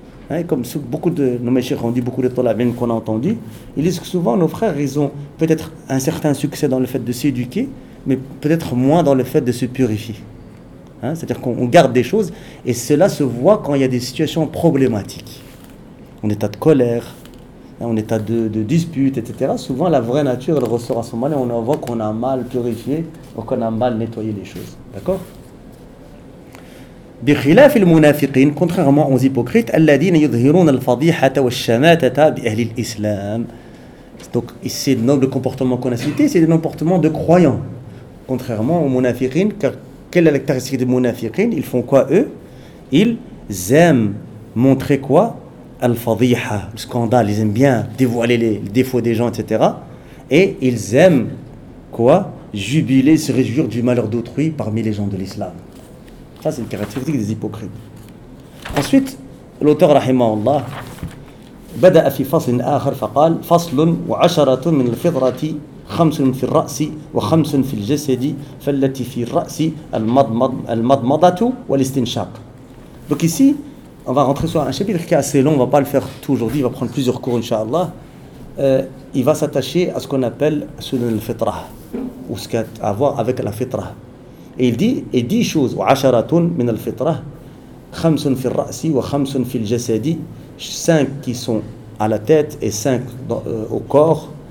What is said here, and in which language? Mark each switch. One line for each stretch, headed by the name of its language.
French: Hein, comme beaucoup de nos méchers ont dit, beaucoup de talabines qu'on a entendu, ils disent que souvent nos frères, ils ont peut-être un certain succès dans le fait de s'éduquer, mais peut-être moins dans le fait de se purifier. Hein? C'est-à-dire qu'on garde des choses, et cela se voit quand il y a des situations problématiques. En état de colère, en état de dispute, etc. Souvent, la vraie nature, elle ressort à ce moment-là. On voit qu'on a mal purifié ou qu'on a mal nettoyé les choses. D'accord ?
Arabic: بخلاف المنافقين
French: contrairement aux hypocrites
Arabic: الذين يظهرون الفضيحة والشماتة بأهل الإسلام.
French: Donc ici dans le comportement qu'on a cité, c'est le comportement de croyants. Contrairement aux munafiqin, car quelle est la caractéristique des munafiqin? Ils font quoi eux? Ils aiment montrer quoi? Al-fadiha, le scandale, ils aiment bien dévoiler les défauts des gens, etc. Et ils aiment quoi? Jubiler, se réjouir du malheur d'autrui parmi les gens de l'islam. Ça, c'est une caractéristique des hypocrites. Ensuite, l'auteur,
Arabic: rahimahullah, بدأ في فصل آخر فقال فصل وعشرة من الفطرة خمس في الرأس وخمس في الجسد فالتي في الرأس المضمضة والاستنشاق.
French: Donc ici, on va rentrer sur un chapitre qui est assez long, on ne va pas le faire tout aujourd'hui, il va prendre plusieurs cours, inshallah. Il va s'attacher à ce qu'on appelle سنن الفطرة, ou ce qui a à voir avec la فطرة. Et il dit, et 10 choses,
Arabic: وعشرة من الفطرة خمس في الرأس وخمس في الجسد,
French: 5 qui sont à la tête et 5 au corps.